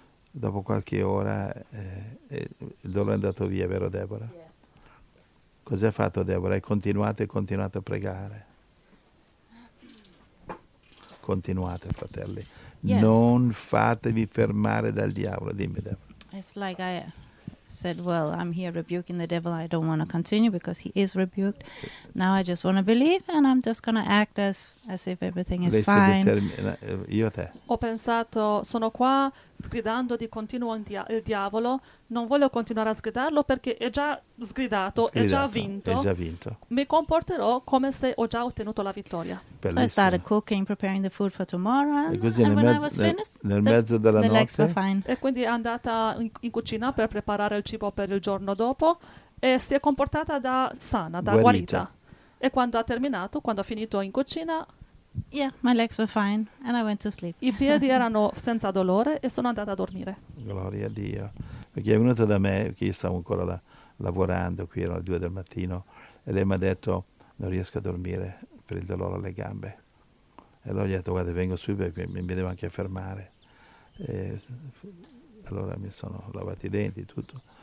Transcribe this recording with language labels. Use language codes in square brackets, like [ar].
[it] Dopo qualche ora il dolore è andato via, vero Deborah? [en] Yes. [it] Cos'è fatto Deborah? Hai continuato a pregare. Continuate, fratelli. [en] Yes. [it] Non fatevi fermare dal diavolo, dimmi Deborah. [en] It's like I said, well, I'm here rebuking the devil. I don't want to continue because he is rebuked. Now I just want to believe and I'm just going to act as if everything is fine. [it] Io te. Ho pensato, sono qua sgridando di continuo il diavolo. Non voglio continuare a sgridarlo perché è già sgridato, è già vinto. Mi comporterò come se ho già ottenuto la vittoria. Bellissimo. [en] So I started cooking, preparing the food for tomorrow. [it] E così nel mezzo della notte. E quindi è andata in cucina per preparare il cibo per il giorno dopo e si è comportata da sana, da guarita. E quando ha terminato, quando ha finito in cucina, [en] yeah, my legs were fine and I went to sleep. [it] I piedi erano senza dolore e sono andata a dormire. Gloria a Dio. Perché è venuta da me, perché io stavo ancora lavorando, qui erano le 2 del mattino, e lei mi ha detto: non riesco a dormire per il dolore alle gambe. E allora gli ho detto: guarda, vengo subito perché mi devo anche fermare. E allora mi sono lavato i denti, tutto.